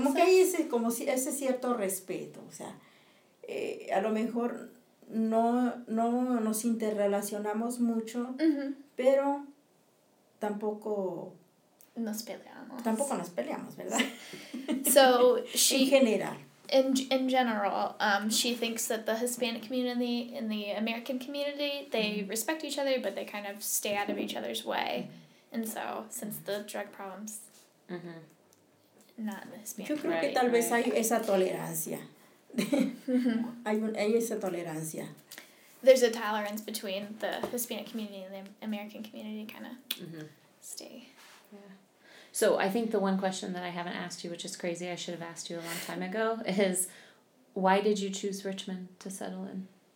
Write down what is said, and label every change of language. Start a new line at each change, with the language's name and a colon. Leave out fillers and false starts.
Spanish: Como que hay ese cierto respeto, o sea. A lo mejor no nos interrelacionamos mucho, pero tampoco... Nos peleamos. Tampoco nos peleamos, ¿verdad?
English: So, she...
Spanish: En general.
English: In general, she thinks that the Hispanic community and the American community, they respect each other, but they kind of stay out of each other's way. And so, since the drug problems, not in the Hispanic
Spanish: Yo creo que tal vez hay esa tolerancia. hay esa tolerancia.
English: There's a tolerance between the Hispanic community and the American community, kind of stay. Yeah. So, I think the one question that I haven't asked you, which is crazy, I should have asked you a long time ago, is why did you choose Richmond to settle in?